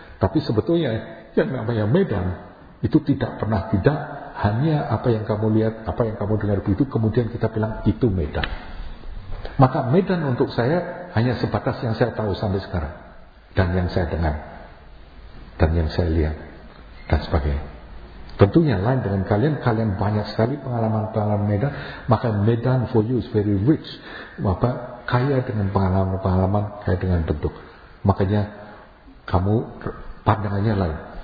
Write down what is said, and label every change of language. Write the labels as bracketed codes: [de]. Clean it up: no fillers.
[id] Tapi sebetulnya, yang namanya medan, itu tidak pernah tidak, hanya apa yang kamu lihat, apa yang kamu dengar begitu, kemudian kita bilang, itu medan. Maka medan untuk saya, hanya sebatas yang saya tahu sampai sekarang. Dan yang saya dengar. Dan yang saya lihat. Dan sebagainya. Tentunya lain dengan kalian. Kalian banyak sekali pengalaman-pengalaman medan. Maka medan [en] for you is very rich. [id] Apa? Kaya dengan pengalaman-pengalaman. Kaya dengan bentuk. Makanya kamu pandangannya lain.